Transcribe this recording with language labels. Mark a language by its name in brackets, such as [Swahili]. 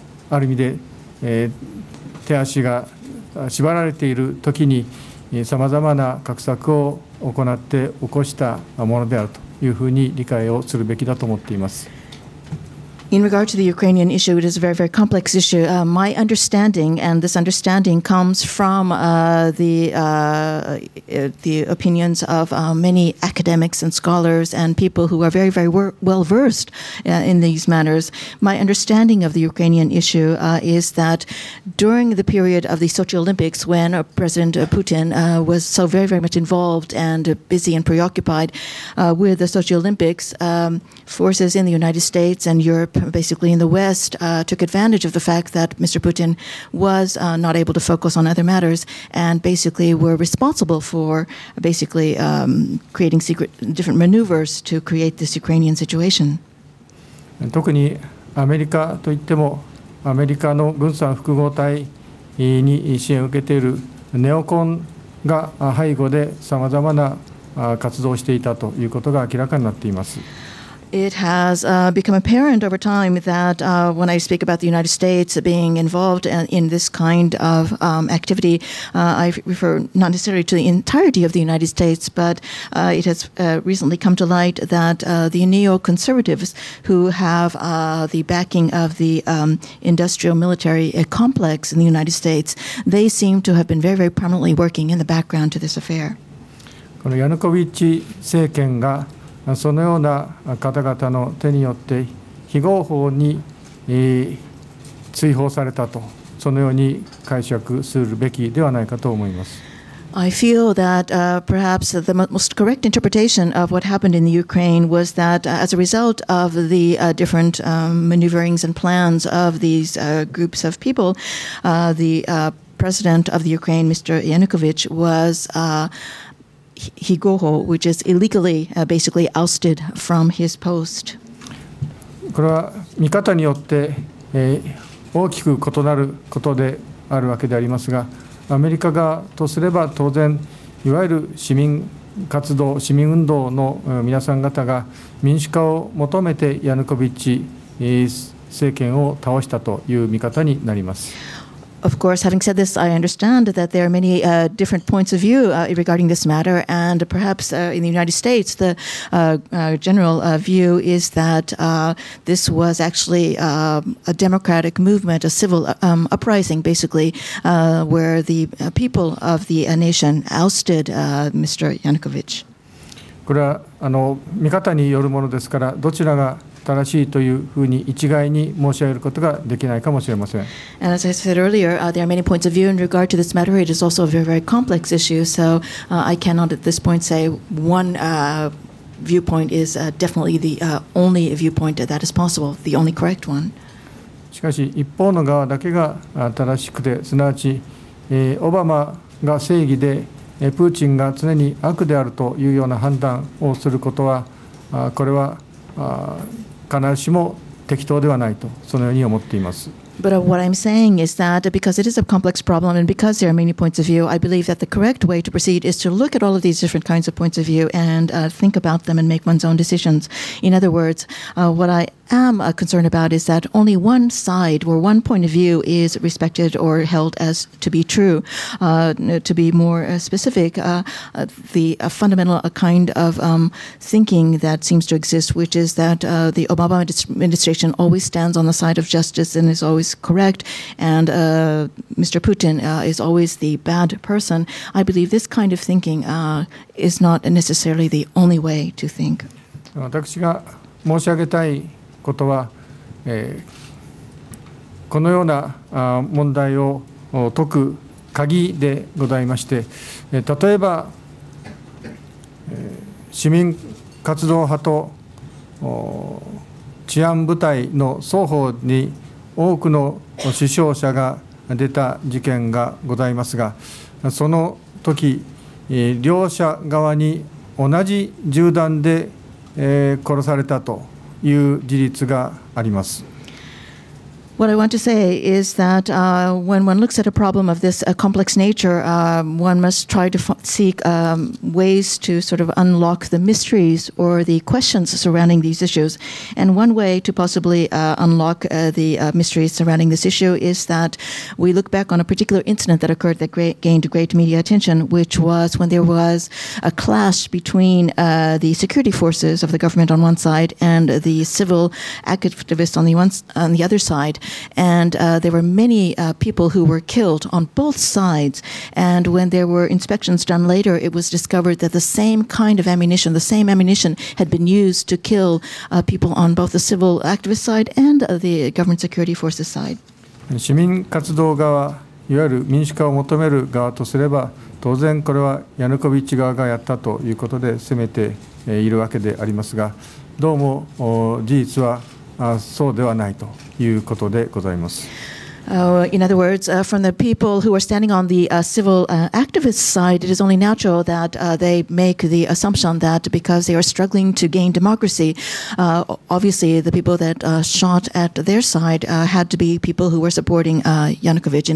[Japanese] ある意味で、手足が縛られているときにさまざまな画策を行って起こしたものであるというふうに理解をするべきだと思っています。 [English] In regard to the Ukrainian issue, it is a very, very complex issue. My understanding and this understanding comes from the opinions of many academics and scholars and people who are very, very well versed in these matters. My understanding of the Ukrainian issue is that during the period of the Sochi Olympics, when President Putin was so very, very much involved and busy and preoccupied with the Sochi Olympics, forces in the United States and Europe, basically in the West, took advantage of the fact that Mr. Putin was not able to focus on other matters and basically were responsible for basically creating secret different maneuvers to create this Ukrainian situation. [Japanese] 特にアメリカといってもアメリカの軍産複合体に支援を受けているネオコンが背後でさまざまな活動をしていたということが明らかになっています。 [English] It has become apparent over time that when I speak about the United States being involved in this kind of activity, I refer not necessarily to the entirety of the United States, but it has recently come to light that the neoconservatives who have the backing of the industrial military complex in the United States, they seem to have been very, very prominently working in the background to this affair. [Japanese] このヤヌコビッチ政権がそのような方々の手によって非合法に追放されたと、そのように解釈するべきではないかと思います。 [English] I feel that perhaps the most correct interpretation of what happened in the Ukraine was that as a result of the different maneuverings and plans of these groups of people, the president of the Ukraine, Mr. Yanukovych, was Higoho, which is illegally, basically ousted from his post. [Japanese] これは見方によって、大きく異なることであるわけでありますが、アメリカ側とすれば当然、いわゆる市民活動、市民運動の皆さん方が民主化を求めてヤヌコビッチ政権を倒したという見方になります。 [English] Of course, having said this, I understand that there are many different points of view regarding this matter, and perhaps in the United States, the general view is that this was actually a democratic movement, a civil uprising, basically, where the people of the nation ousted Mr. Yanukovych. [Japanese] これは見方によるものですから、どちらが正しいというふうに一概に申し上げることができないかもしれません。 [English] And as I said earlier, there are many points of view in regard to this matter. It is also a very, very complex issue. So I cannot at this point say one viewpoint is definitely the only viewpoint that is possible, the only correct one. [Japanese] しかし一方の側だけが正しくて、すなわち、オバマが正義で、プーチンが常に悪であるというような判断をすることは、これは必ずしも適当ではないと、そのように思っています。 [English] But what I'm saying is that because it is a complex problem and because there are many points of view, I believe that the correct way to proceed is to look at all of these different kinds of points of view and think about them and make one's own decisions. In other words, what I am concerned about is that only one side or one point of view is respected or held as to be true. To be more specific, the fundamental kind of thinking that seems to exist, which is that the Obama administration always stands on the side of justice and is always correct, and Mr. Putin is always the bad person. I believe this kind of thinking is not necessarily the only way to think. [Japanese] 私が申し上げたいことは、このような問題を解く鍵でございまして、例えば、市民活動派と治安部隊の双方に多くの死傷者が出た事件がございますが、その時両者側に同じ銃弾で殺されたという事実があります。 [English] What I want to say is that when one looks at a problem of this complex nature, one must try to seek ways to sort of unlock the mysteries or the questions surrounding these issues. And one way to possibly unlock the mysteries surrounding this issue is that we look back on a particular incident that occurred that gained great media attention, which was when there was a clash between the security forces of the government on one side and the civil activists on the other side. And there were many people who were killed on both sides. And when there were inspections done later, it was discovered that the same kind of ammunition, the same ammunition had been used to kill people on both the civil activist side and the government security forces side. [Japanese] 市民活動側、いわゆる民主化を求める側とすれば、当然これはヤヌコビッチ側がやったということで責めているわけでありますが、どうも事実はそうではないということでございます。 [English] In other words, from the people who are standing on the civil activist side, it is only natural that they make the assumption that because they are struggling to gain democracy, obviously the people that shot at their side had to be people who were supporting Yanukovych.